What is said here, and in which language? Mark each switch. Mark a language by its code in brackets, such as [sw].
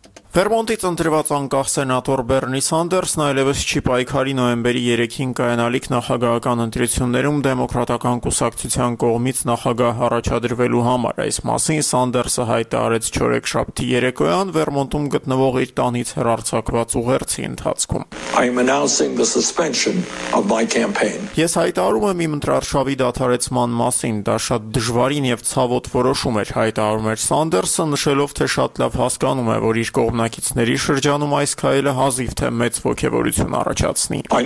[hy] Վերմոնտից ընտրված անկախ սենատոր Բերնի Սանդերսն այլևս չի պայքարի նոյեմբերի 3-ին կայանալիք նախագահական ընտրություններում դեմոկրատական կուսակցության կողմից նախագահ առաջադրվելու համար։ Այս մասին Սանդերսը հայտարարեց չորեքշաբթի երեկոյան Վերմոնտում գտնվող իր տանից հեռարձակված ուղերձի ընթացքում։ [en] I'm announcing the suspension of my campaign. [hy] Ես հայտարարում եմ իմ ընտրարշավի դադարեցման մասին, դա շատ դժվարին եւ ցավոտ որոշում էր, հայտարարում էր Սանդերսը, նշելով, թե շատ լավ հասկանում է, որ իր օգնակիցների շրջանում այս քայլը հազիվ թե մեծ ոգևորություն առաջացնի։